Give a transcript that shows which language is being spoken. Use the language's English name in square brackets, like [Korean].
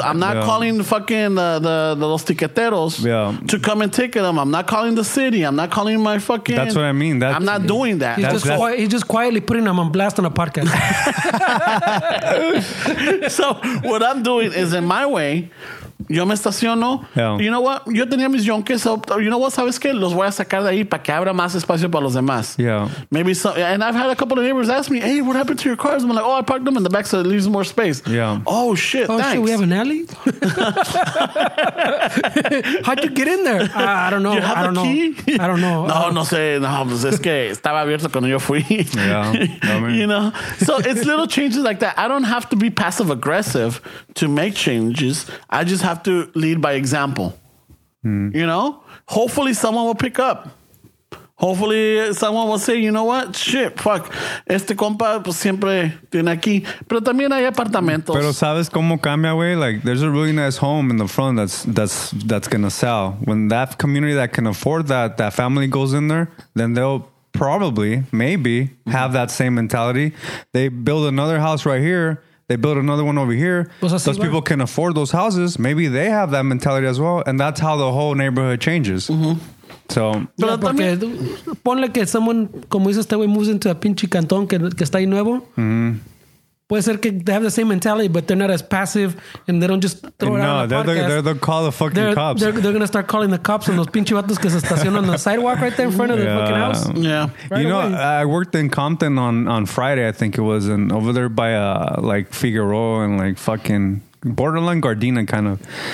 [English] I'm not calling fucking the [Spanish] los tiqueteros [English] to come and ticket them. I'm not calling the city. I'm not calling my fucking... That's what I mean. That's, I'm not doing that. He's just quietly putting them on blast on a podcast. So what I'm doing is in my way... [Spanish] Yo me estaciono. [English] Yeah. You know what? [Spanish] Yo tenía mis yonkes. [English] You know what? [Spanish] Sabes que los voy a sacar de ahí para que abra más espacio para los demás. [English] Yeah. Maybe so. And I've had a couple of neighbors ask me, hey, what happened to your cars? I'm like, oh, I parked them in the back so it leaves more space. Yeah. Oh, shit. Oh, thanks. Shit. We have an alley? How'd you get in there? I don't know. You have I don't a key? Know. I don't know. [Spanish] No, no sé. No, pues es que estaba abierto cuando yo fui. [English] Yeah. You know? So it's little changes like that. I don't have to be passive aggressive to make changes. I just have to lead by example. You know, hopefully someone will pick up, hopefully someone will say, you know what, shit, fuck, [Spanish] este compa pues siempre tiene aquí, pero también hay apartamentos. Pero sabes cómo cambia, güey? [English] Like there's a really nice home in the front that's gonna sell. When that community that can afford that family goes in there, then they'll probably maybe have that same mentality. They build another house right here. They build another one over here. Those people can afford those houses. Maybe they have that mentality as well. And that's how the whole neighborhood changes. Mm-hmm. So, [Spanish] pero yeah, porque también, ponle que [English] someone, [Spanish] como dice este güey, [English] moves into a [Spanish] pinche cantón que está ahí nuevo. [English] Mm-hmm. [Spanish] Puede ser que [English] they have the same mentality, but they're not as passive and they don't just throw it out on the podcast. No, they'll call the fucking cops. They're going to start calling the cops on those [Spanish] pinche vatos que se estacionan [English] on the sidewalk right there in front of the fucking house. Yeah. Right you away. Know, I worked in Compton on Friday, I think it was, and over there by like Figueroa and like fucking borderline Gardena kind of.